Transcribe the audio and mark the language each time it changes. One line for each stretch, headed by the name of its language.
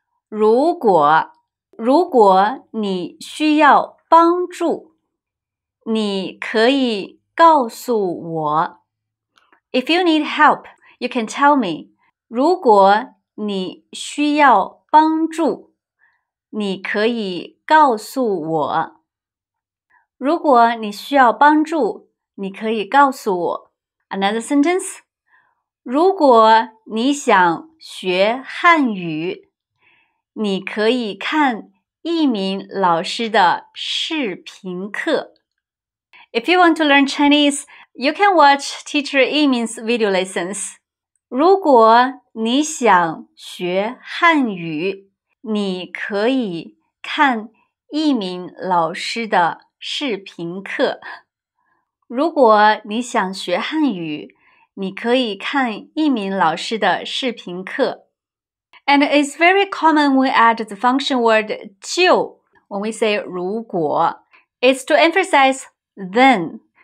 Chinese: 如果如果你需要帮助，你可以告诉我。
English: If you need help, you can tell me.
Chinese: 如果你需要帮助，你可以告诉我。如果你需要帮助，你可以告诉我。
English: Another sentence.
Chinese: 如果你想学汉语，你可以看一名老师的视频课。
English: If you want to learn Chinese, you can watch Teacher Yimin's video lessons.
Chinese: 如果你想学汉语，你可以看一名老师的视频课。如果你想学汉语，你可以看一名老师的视频课。
English: And it's very common we add the function word 就 when we say 如果 It's to emphasize then.